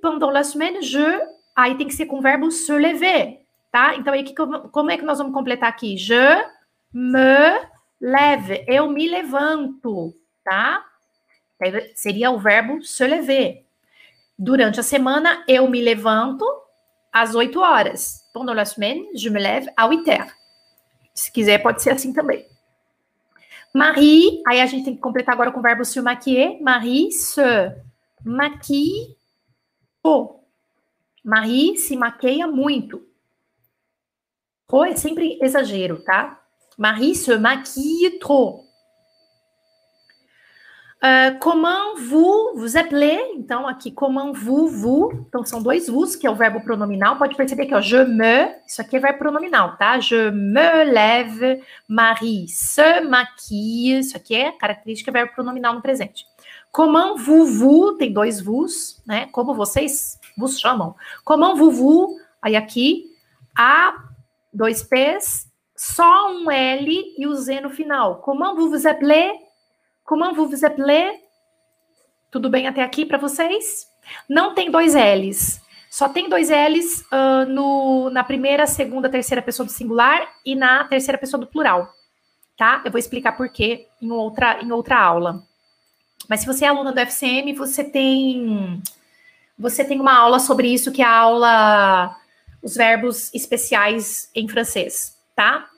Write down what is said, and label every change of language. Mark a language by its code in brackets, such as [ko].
[fr] Pendant la semaine, je... [pt] Aí tem que ser com o verbo se lever, tá? Então, aí, como é que nós vamos completar aqui? [fr] Je me lève. [pt] Eu me levanto, tá? Seria o verbo se lever. Durante a semana, eu me levanto às 8 horas. [fr] Pendant la semaine, je me lève à 8 heures. [pt] Se quiser, pode ser assim também. Marie, aí a gente tem que completar agora com o verbo se maquiller. [fr] Marie se maquille. [pt] Oh. Marie se maquia muito. Trop é sempre exagero, tá? [fr] Marie se maquille trop. Comment vous vous appelez? [pt] Então, aqui, [fr] comment vous. [pt] Então, são dois vous, que é o verbo pronominal. Pode perceber que, ó, [fr] je me. [pt] Isso aqui é verbo pronominal, tá? [fr] Je me lève. Marie se maquille. [pt] Isso aqui é característica, verbo pronominal no presente. [fr] Comment vous. [pt] Tem dois vous, né? Como vocês vos chamam. Comment vous. Aí, aqui, a, dois P's, só um L e o Z no final. [fr] Comment vous vous appelez? Comment vous vous appelez? [pt] Tudo bem até aqui para vocês? Não tem dois L's. Só tem dois L's na primeira, segunda, terceira pessoa do singular e na terceira pessoa do plural. Tá? Eu vou explicar por quê em outra aula. Mas se você é aluna do FCM, você tem uma aula sobre isso, que é a aula Os Verbos Especiais em Francês. Tá?